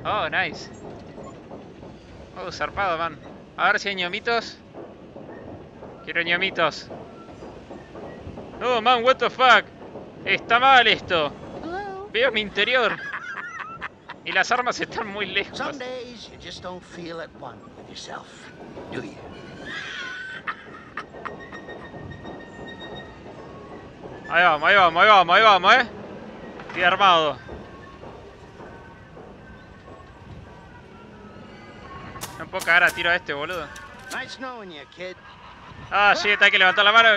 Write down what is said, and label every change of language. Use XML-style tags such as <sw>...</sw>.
<es>Nice. Zarpado, man. A ver si hay ñomitos. Quiero ñomitos.</es> <en>Man, what the fuck.</en> <es>Está mal esto. Hello. Veo mi interior. Y las armas están muy lejos.</es> <en>Some days you just don't feel at one with yourself, do you?</en> <es>Ahí vamos, ahí vamos, ahí vamos, ahí vamos, eh. Estoy armado. No puedo cagar a tiro a este, boludo.</es> <en>Nice knowing you, kid.</en> <es>Ah, sí, está, hay que levantar la mano.</es>